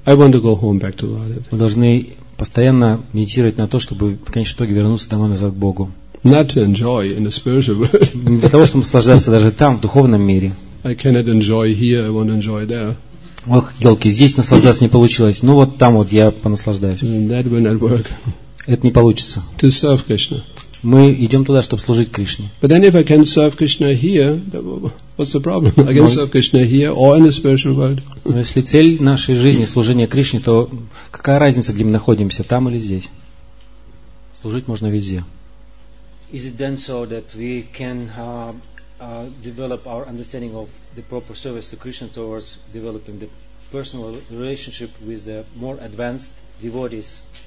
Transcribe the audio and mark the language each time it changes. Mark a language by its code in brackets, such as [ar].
[ru] Мы должны постоянно медитировать на то, чтобы в конечном итоге вернуться домой назад к Богу. [en] Not to enjoy in the spiritual world. [ru] Не для того, чтобы наслаждаться даже там, в духовном мире. [en] I cannot enjoy here, I won't enjoy there. [ru] Ох, елки, здесь наслаждаться не получилось. Ну вот там вот я понаслаждаюсь. [en] That will not work. [ru] Это не получится. [en] To serve Krishna. [ru] Мы идем туда, чтобы служить Кришне. [en] But then if I can serve Krishna here, what's the problem? I can serve Krishna here or in the spiritual world. [ru] Но если цель нашей жизни служение Кришне, то какая разница, где мы находимся, там или здесь? Служить можно везде. [en] Is it then so that we can develop our understanding of the proper service to Krishna towards developing the personal relationship with the more advanced devotees?